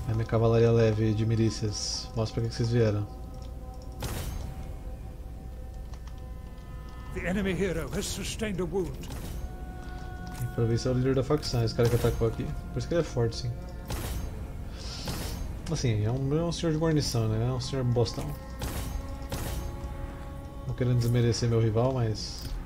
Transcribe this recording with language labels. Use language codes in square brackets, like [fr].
[pt] Cavalaria leve de milícias. Mostra pra que vocês vieram. [en] The enemy hero has sustained a wound. [pt] Pra ver se é o líder da facção, esse cara que atacou aqui. Por isso que ele é forte, sim. Assim, é um senhor de guarnição, né? É um senhor bostão. Não querendo desmerecer meu rival, mas...